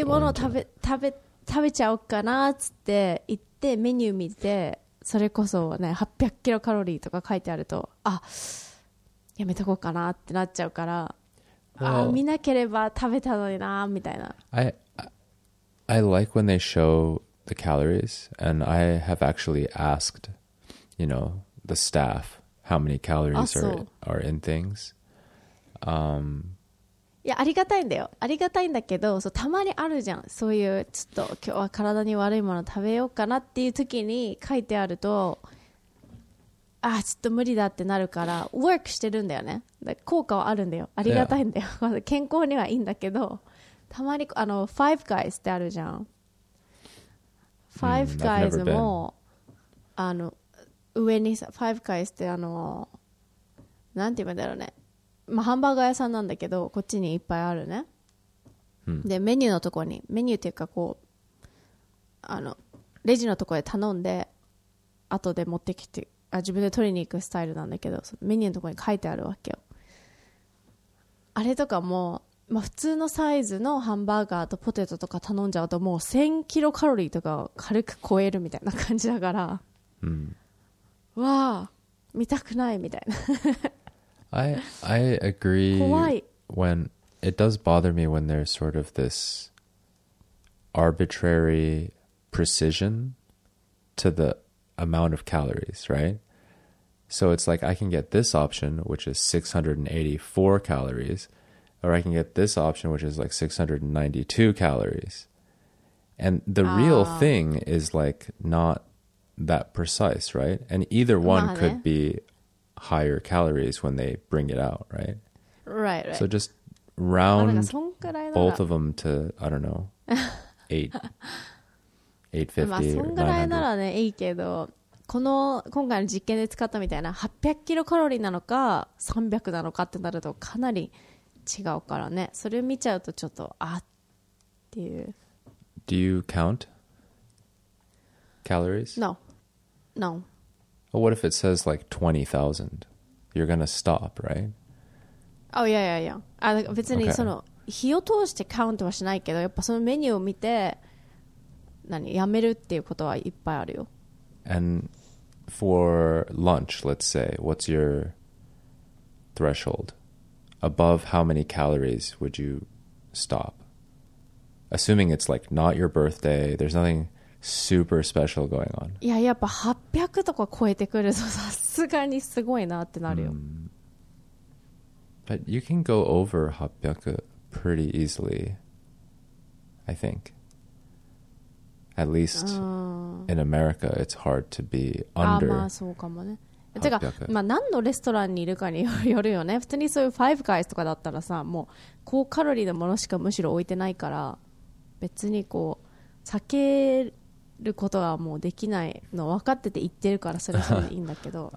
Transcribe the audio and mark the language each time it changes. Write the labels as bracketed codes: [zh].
[ja] うものを食べちゃおうかなっつって行ってメニュー見て、それこそね800キロカロリーとか書いてあると、あやめとこうかなってなっちゃうから、 [en] well, [ja] 見なければ食べたのになみたいな。 [en] I like when they show the calories. And I have actually asked, you know, the staff how many calories are in things. [ja] いや、ありがたいんだよ。ありがたいんだけど、そう、たまにあるじゃん。そういうちょっと今日は体に悪いもの食べようかなっていう時に書いてあると、あ、ちょっと無理だってなるから、ワークしてるんだよね。だから効果はあるんだよ。ありがたいんだよ。 [en] Yeah. [ja] 健康にはいいんだけど、たまにあの Five Guys ってあるじゃん。 Five Guys もあの上にさ、Five Guys ってあのなんて言うんだろうね。まあ、ハンバーガー屋さんなんだけどこっちにいっぱいあるね、うん、でメニューのところにメニューっていうかこうあのレジのところで頼んで後で持ってきてあ自分で取りに行くスタイルなんだけどメニューのところに書いてあるわけよあれとかも、まあ、普通のサイズのハンバーガーとポテトとか頼んじゃうともう1000キロカロリーとか軽く超えるみたいな感じだから、うん、わあ見たくないみたいない [en] agree when it does bother me when there's sort of this arbitrary precision to the amount of calories, right? So it's like I can get this option, which is 684 calories, or I can get this option, which is like 692 calories. And the real thing is like not that precise, right? And either one could be higher calories when they bring it out, right? Right, right. So just round both of them to, I don't know, 850 [ja] まあ、そんぐらいならね、いいけど、この今回の実験で使ったみたいな800キロカロリーなのか300なのかってなるとかなり違うからね。それ見ちゃうとちょっと、あっていう。 [en] Do you count calories? No. No. But what if it says like 20,000? You're gonna stop, right? Oh yeah, yeah, yeah. [ja] あ、別にその火を通してカウントはしないけど、やっぱそのメニューを見て、何、やめるっていうことはいっぱいあるよ。 [en] And for lunch, let's say, what's your threshold? Above how many calories would you stop? Assuming it's like not your birthday, there's nothing... Super special going on. [ja] いや、やっぱ800とか超えてくるとさすがにすごいなってなるよ。 [en] But you can go over 800 pretty easily, I think. At least in America, it's hard to be under [ja] 800. まあそうかもね。てか、まあ何のレストランにいるかによるよね。普通にそういう Five Guys とかだったらさ、もう高カロリーのものしかむしろ置いてないから、別にこう酒ることはもうできないの分かってて言ってるからそれはいいんだけど。